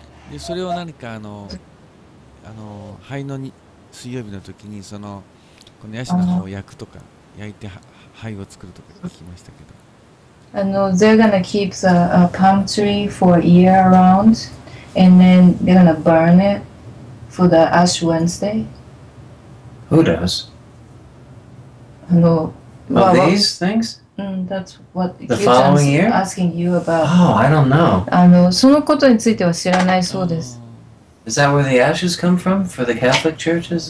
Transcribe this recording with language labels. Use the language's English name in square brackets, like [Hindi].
[Japanese] でそれを何かあの灰のに水曜日の時にそのこのヤシの葉を焼くとか焼いて灰を作るとか聞きましたけど。 [English] They're gonna keep a palm tree for year round, and then they're gonna burn it for the Ash Wednesday. Who does? These things? That's what the following year? Asking you about. Oh, I don't know. [Japanese] そのことについては知らないそうです。 [English] Is that where the ashes come from for the Catholic churches?